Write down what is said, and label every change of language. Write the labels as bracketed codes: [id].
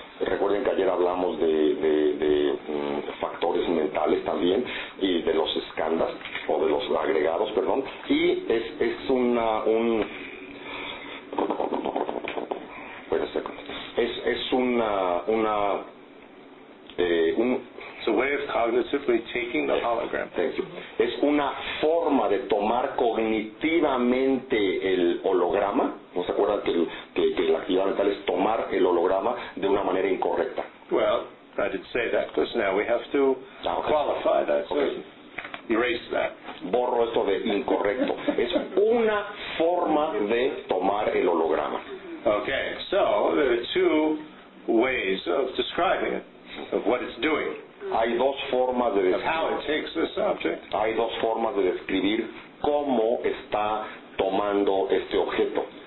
[es] Recuerden que ayer hablamos de factores mentales también, y de los escandas o de los agregados, perdón, y es una [en] it's a way of cognitively taking the hologram. Thank you. [es] Es una forma de tomar cognitivamente el holograma. ¿No se acuerdan que la actividad mental es tomar el holograma de una manera incorrecta? [en] Well, I didn't say that, because now we have to qualify that. So okay. Erase that. [es] Borro esto de incorrecto. Es una forma de tomar el holograma. [en] Okay, so there are two ways of describing it, of what it's doing. [es] Hay dos formas de describir, [en] how it takes this object. [es] Hay dos formas de describir cómo está tomando este objeto.